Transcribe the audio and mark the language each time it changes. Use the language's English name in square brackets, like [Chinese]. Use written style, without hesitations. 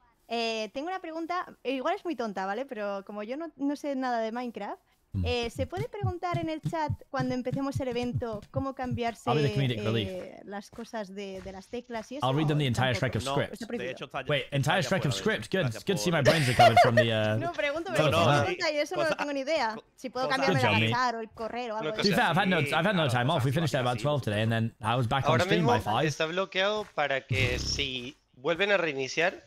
[Spanish] Tengo una pregunta, igual es muy tonta, ¿vale? Pero como yo no sé nada de Minecraft, ¿se puede preguntar en el chat cuando empecemos el evento cómo cambiarse las cosas de las teclas y eso? [English] I'll read them the entire Shrek of script. [Spanish] No, de hecho, [English] wait, entire Shrek of script. Good. It's good to see my brains recovered from the [Spanish] No, pregunto, pero no, y eso no tengo ni idea. Si puedo cambiarme la cachar o el correo o algo. [English] To be fair, I've had no time off. We finished at about 12 today and then I was back on stream by 5. [Spanish] Está bloqueado para que si vuelven a reiniciar.